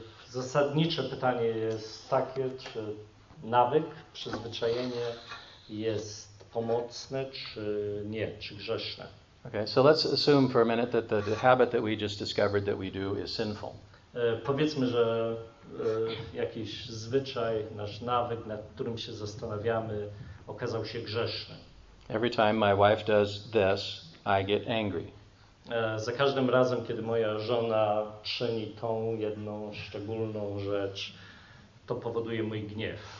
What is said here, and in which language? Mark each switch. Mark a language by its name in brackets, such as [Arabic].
[Polish] Zasadnicze pytanie jest takie, czy nawyk, przyzwyczajenie jest pomocne, czy nie, czy grzeszne. [English] Okay, so let's assume for a minute that the habit that we just discovered that we do is sinful. [Polish] Powiedzmy, że jakiś zwyczaj, nasz nawyk, nad którym się zastanawiamy, okazał się grzeszny. [English] Every time my wife does this, I get angry. [Polish] Za każdym razem, kiedy moja żona czyni tą jedną szczególną rzecz, to powoduje mój gniew.